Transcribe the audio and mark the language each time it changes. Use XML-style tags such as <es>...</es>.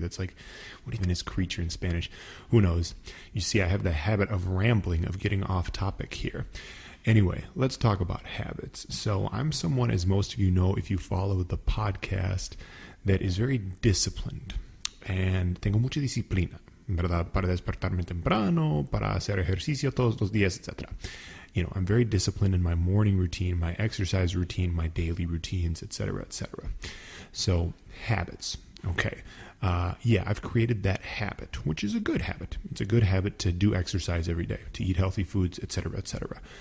<en>That's like, what even is creature in Spanish? Who knows? You see, I have the habit of rambling, of getting off topic here. Anyway, let's talk about habits. So I'm someone, as most of you know, if you follow the podcast, that is very disciplined.</en> <es>And tengo mucha disciplina, ¿verdad? Para despertarme temprano, para hacer ejercicio todos los días, etc.</es> <en>You know, I'm very disciplined in my morning routine, my exercise routine, my daily routines, etc., etc. So, habits. Okay. Yeah, I've created that habit, which is a good habit. It's a good habit to do exercise every day, to eat healthy foods, etc., etc.</en>